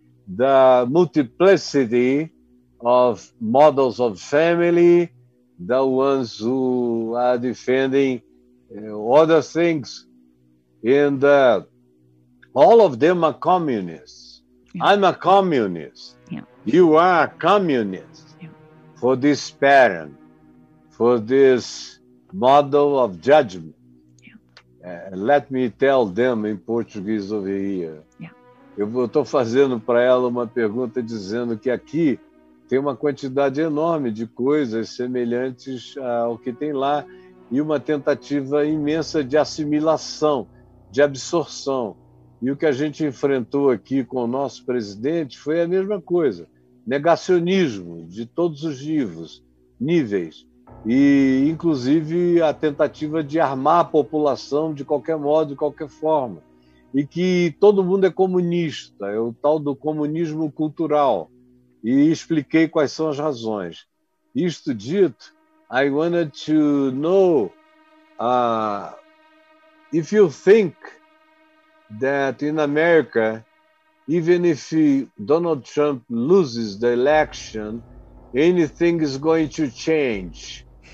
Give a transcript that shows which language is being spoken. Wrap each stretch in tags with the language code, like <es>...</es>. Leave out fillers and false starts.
<en>the multiplicity of models of family, the ones who are defending other things, and all of them are communists. Yeah. I'm a communist. Yeah. You are a communist for this pattern, for this model of judgment. Yeah. Let me tell them in Portuguese over here. Yeah.</en> <pt>Eu estou fazendo para ela uma pergunta dizendo que aqui tem uma quantidade enorme de coisas semelhantes ao que tem lá e uma tentativa imensa de assimilação, de absorção. E o que a gente enfrentou aqui com o nosso presidente foi a mesma coisa, negacionismo de todos os níveis, e inclusive a tentativa de armar a população de qualquer modo, de qualquer forma, e que todo mundo é comunista, é o tal do comunismo cultural. E expliquei quais são as razões. Isto dito,</pt> <en>I wanted to know if you think that in America, even if Donald Trump loses the election, anything is going to change.</en>